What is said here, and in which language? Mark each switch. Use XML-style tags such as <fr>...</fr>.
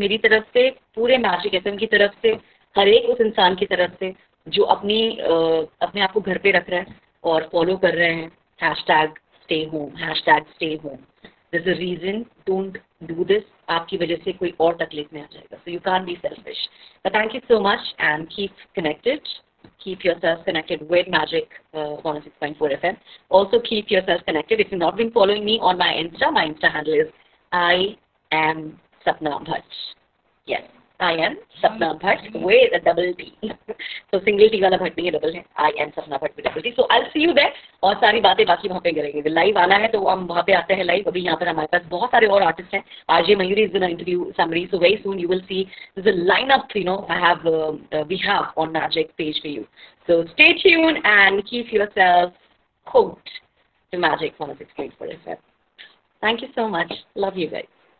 <hi>मेरी तरफ से, पूरे मैजिक एफएम की तरफ से, हर एक उस इंसान की तरफ से जो अपनी अपने आप को घर पे रख रहे हैं और फॉलो कर रहे हैं hashtag stay home, hashtag stay home.</hi> <en>There's a reason. Don't do this.</en> <hi>आपकी वजह से कोई और तकलीफ में आ जाएगा.</hi> <en>So you can't be selfish. But thank you so much and keep connected. Keep yourself connected with Magic 106.4 FM. Also, keep yourself connected. If you've not been following me on my Insta handle is I am Sapna Bhatt. Yes, I am Sapna Bhatt with a double P.</en> <hi>तो single T वाला भट्टी double है,</hi> <en>I am Sapna Bhatti double T, so I see you there.</en> <hi>और सारी बातें बाकी वहां पे करेंगे, लाइव आना है तो हम वहां पे आते हैं लाइव। अभी यहाँ पर हमारे पास बहुत सारे और आर्टिस्ट हैं,</hi> <en>RJ Mayuri is in interview summary, so very soon you will see the line up, you know I have we have on magic page for you, so stay tuned and keep yourself hooked to magic 106.4 FM. Thank you so much. Love you guys.</en>